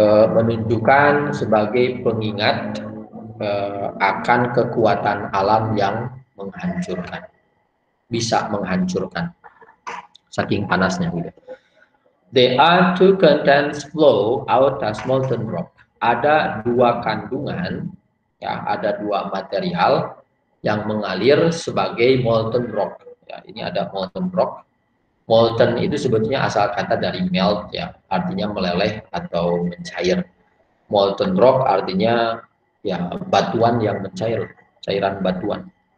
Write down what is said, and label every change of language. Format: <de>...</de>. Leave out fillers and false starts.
<id>Menunjukkan sebagai pengingat akan kekuatan alam yang menghancurkan, bisa menghancurkan saking panasnya.</id> <en>There are two contents flow out as molten rock.</en> <id>Ada dua kandungan, ya, ada dua material yang mengalir sebagai molten rock. Ya, ini ada molten rock. Molten itu sebetulnya asal kata dari melt ya, artinya meleleh atau mencair. Molten rock artinya ya batuan yang mencair, cairan batuan.</id>